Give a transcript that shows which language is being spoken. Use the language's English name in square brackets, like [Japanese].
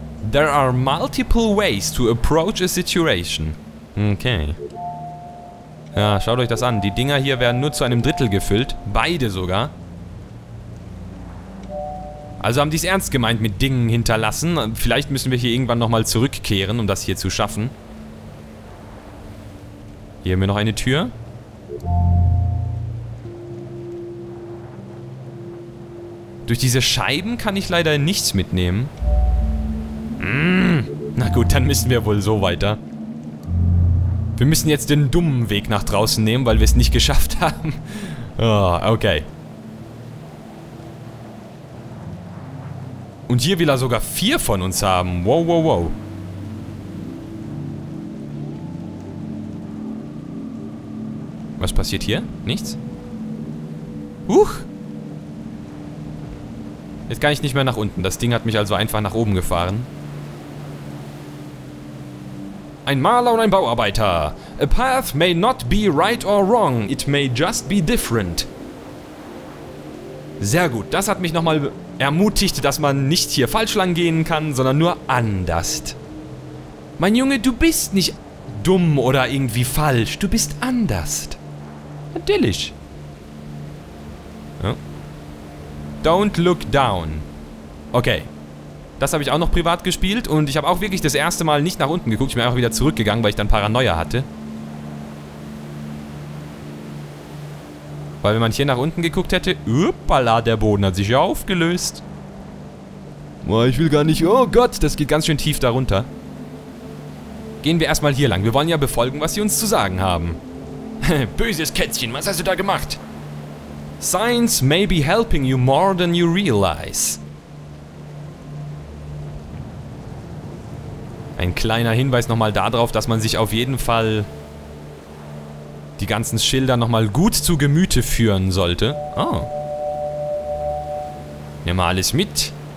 [English] There are multiple ways to approach a situation. [German] Okay. Ja, schaut euch das an. Die Dinger hier werden nur zu einem Drittel gefüllt. Beide sogar. Also haben die es ernst gemeint mit Dingen hinterlassen. Vielleicht müssen wir hier irgendwann nochmal zurückkehren, um das hier zu schaffen. Hier haben wir noch eine Tür. Durch diese Scheiben kann ich leider nichts mitnehmen. Na gut, dann müssen wir wohl so weiter. Wir müssen jetzt den dummen Weg nach draußen nehmen, weil wir es nicht geschafft haben. Oh, okay. Und hier will er sogar vier von uns haben. Wow, wow, wow. Was passiert hier? Nichts? Huch! Jetzt kann ich nicht mehr nach unten. Das Ding hat mich also einfach nach oben gefahren. Ein Maler und ein Bauarbeiter. [English] A path may not be right or wrong. It may just be different. [German] Sehr gut. Das hat mich nochmal ermutigt, dass man nicht hier falsch lang gehen kann, sondern nur anders. Mein Junge, du bist nicht dumm oder irgendwie falsch. Du bist anders. Natürlich. [English] Don't look down. Okay. [German] Das habe ich auch noch privat gespielt und ich habe auch wirklich das erste Mal nicht nach unten geguckt. Ich bin einfach wieder zurückgegangen, weil ich dann Paranoia hatte. Weil wenn man hier nach unten geguckt hätte, uppala, der Boden hat sich ja aufgelöst. Boah, ich will gar nicht, oh Gott, das geht ganz schön tief darunter. Gehen wir erstmal hier lang. Wir wollen ja befolgen, was sie uns zu sagen haben. Böses Kätzchen, was hast du da gemacht? [English] Science may be helping you more than you realize. [German] Ein kleiner Hinweis nochmal darauf, dass man sich auf jeden Fall die ganzen Schilder nochmal gut zu Gemüte führen sollte. Oh. Nehmen wir alles mit.